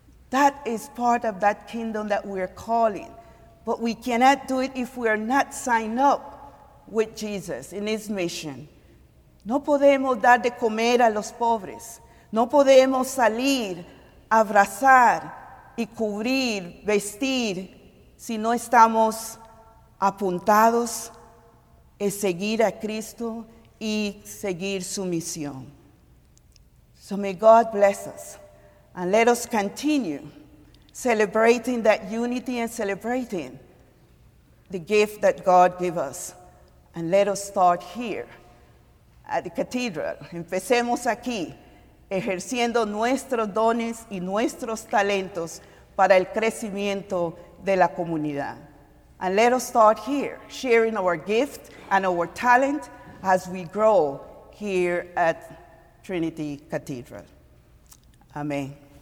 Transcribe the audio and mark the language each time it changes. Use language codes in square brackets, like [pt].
[en] That is part of that kingdom that we are calling. But we cannot do it if we are not signed up with Jesus in his mission. [es] No podemos dar de comer a los pobres. No podemos salir, abrazar y cubrir, vestir, si no estamos apuntados en seguir a Cristo y seguir su misión. [en] So may God bless us and let us continue celebrating that unity and celebrating the gift that God gave us. And let us start here at the cathedral. [es] Empecemos aquí ejerciendo nuestros dones y nuestros talentos para el crecimiento de la comunidad. [en] And let us start here, sharing our gift and our talent as we grow here at Trinity Cathedral. Amen.